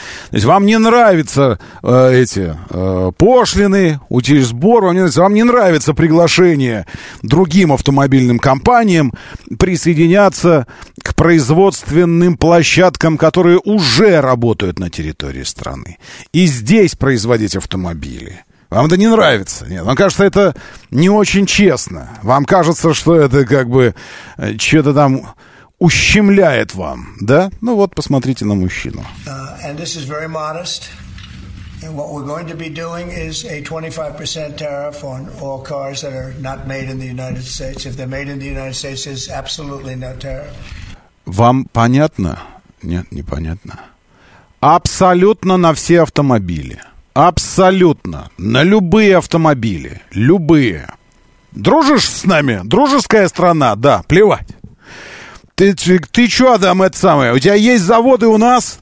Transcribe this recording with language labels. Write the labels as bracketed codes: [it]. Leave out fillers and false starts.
[ru] То есть вам не нравятся пошлины, сбор, вам не нравится приглашение другим автомобильным компаниям присоединяться к производственным площадкам, которые уже работают на территории страны, и здесь производить автомобили. Вам это не нравится? Нет, вам кажется, это не очень честно. Вам кажется, что это как бы что-то там ущемляет вам, да? Ну вот, посмотрите на мужчину. [en] And this is very modest. And what we're going to be doing is a 25% tariff on all cars that are not made in the United States. If they're made in the United States, it's absolutely no tariff. [ru] Вам понятно? Нет, непонятно. Абсолютно на все автомобили. Абсолютно. На любые автомобили. Любые. Дружишь с нами? Дружеская страна? Да, плевать. Ты что, Адам, это самое? У тебя есть заводы у нас?